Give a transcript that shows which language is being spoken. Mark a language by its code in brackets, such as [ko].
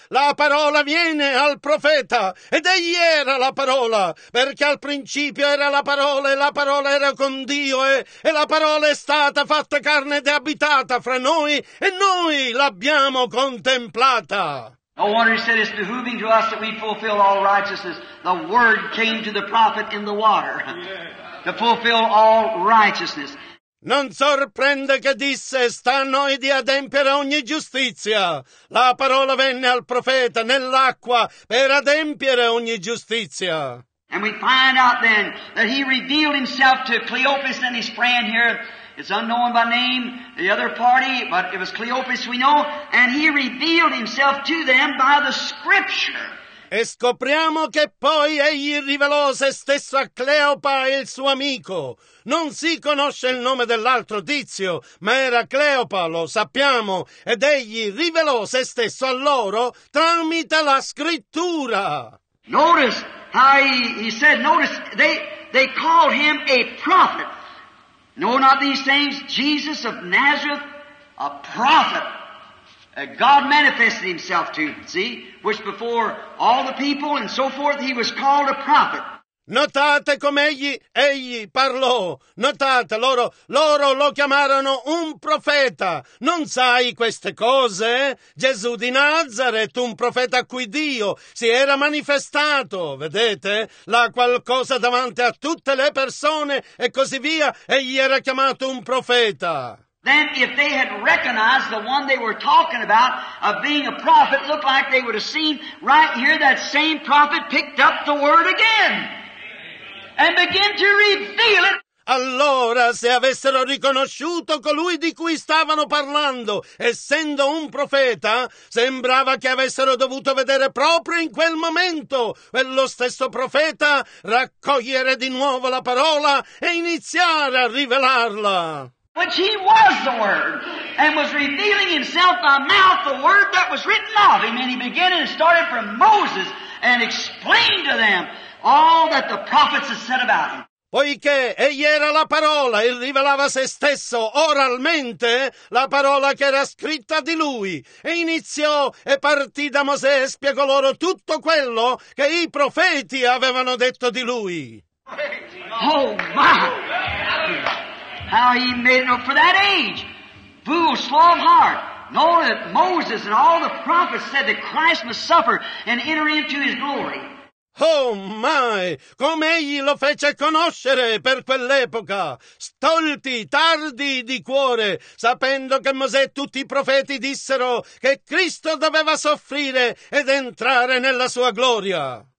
[it] La parola viene al profeta, ed egli era la parola, perché al principio era la parola, e la parola era con Dio, e la parola è stata fatta carne ed è abitata fra noi, e noi l'abbiamo contemplata. [en] No wonder he said, it's behooving to us that we fulfill all righteousness. The word came to the prophet in the water to fulfill all righteousness. [it] Non sorprende che disse, sta a noi di adempiere ogni giustizia. La parola venne al profeta nell'acqua per adempiere ogni giustizia. [en] And we find out then that he revealed himself to Cleopas and his friend here. It's unknown by name, the other party, but it was Cleopas we know. And he revealed himself to them by the scripture. [it] E scopriamo che poi egli rivelò se stesso a Cleopa e il suo amico. Non si conosce il nome dell'altro tizio, ma era Cleopa, lo sappiamo, ed egli rivelò se stesso a loro tramite la scrittura. [en] Notice how he said, notice they called him a prophet. Know not these things, Jesus of Nazareth, a prophet. God manifested himself to, see, which before all the people and so forth, he was called a prophet. [it] Notate come egli parlò. Notate, loro lo chiamarono un profeta. Non sai queste cose? Gesù di Nazareth, un profeta a cui Dio si era manifestato, vedete? La qualcosa davanti a tutte le persone e così via, egli era chiamato un profeta. [en] Then if they had recognized the one they were talking about of being a prophet, looked like they would have seen right here that same prophet picked up the word again and begin to reveal it. [it] Allora, se avessero riconosciuto colui di cui stavano parlando, essendo un profeta, sembrava che avessero dovuto vedere proprio in quel momento quello stesso profeta raccogliere di nuovo la parola e iniziare a rivelarla. [en] Which he was the Word, and was revealing himself by mouth the Word that was written of him. And he began and started from Moses and explained to them all that the prophets had said about him. [it] Poiché egli era la parola e rivelava se stesso oralmente la parola che era scritta di lui, e iniziò e partì da Mosè e spiegò loro tutto quello che i profeti avevano detto di lui. [en] Oh, my! How he made it up for that age. Fool, slow of heart. Know that Moses and all the prophets said that Christ must suffer and enter into his glory. Oh my! [it] Come egli lo fece conoscere per quell'epoca. Stolti, tardi di cuore, sapendo che Mosè e tutti i profeti dissero che Cristo doveva soffrire ed entrare nella sua gloria.